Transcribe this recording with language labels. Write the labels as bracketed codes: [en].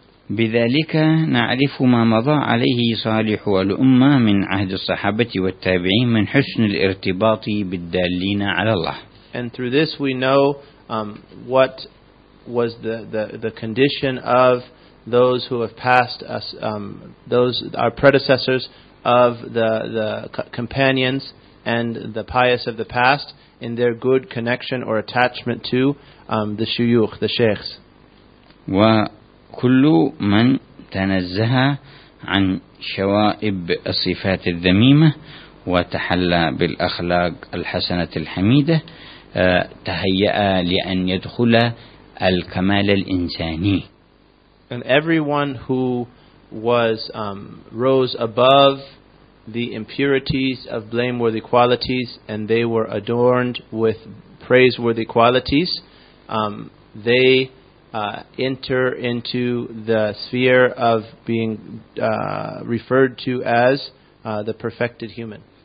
[ar] بذلك نعرف ما مضى عليه صالح الأمة من عهد الصحابة والتابعين من حسن الارتباط بالدالين على الله. [en] And through this we know what was the condition of those who have passed us, those our predecessors of the companions and the pious of the past, in their good connection or attachment to the shuyukh, the sheikhs. [ar] وكل من تنزه عن شوائب الصفات الذميمة وتحلى بالأخلاق الحسنة الحميدة تهيأ لأن يدخل الكمال الإنساني. [en] And everyone who was rose above the impurities of blameworthy qualities, and they were adorned with praiseworthy qualities, they enter into the sphere of being referred to as the perfected human.